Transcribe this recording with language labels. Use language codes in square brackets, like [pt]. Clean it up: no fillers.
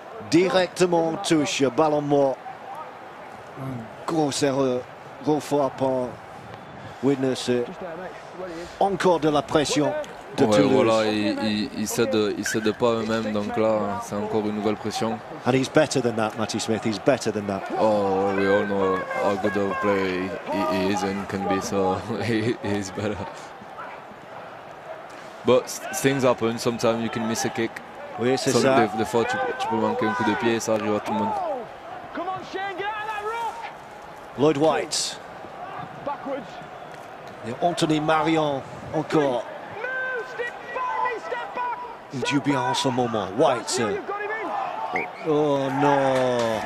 [fr] Directement en touche, ballon mort. Grosse erreur, gros frappe en witness. Encore de la pression de ouais, Toulouse. Voilà, il cède pas eux-mêmes, donc là, c'est encore une nouvelle pression. [en] And he's better than that, Matty Smith, he's better than that. Oh, we all know how good a player he is and can be, so he's better. But things happen, sometimes you can miss a kick. [fr] Oui, c'est ça. Des fois, tu peux manquer un coup de pied, ça arrive à tout le monde. Lloyd White. Et Anthony Marion encore. Il joue bien en ce moment. White. Oh non.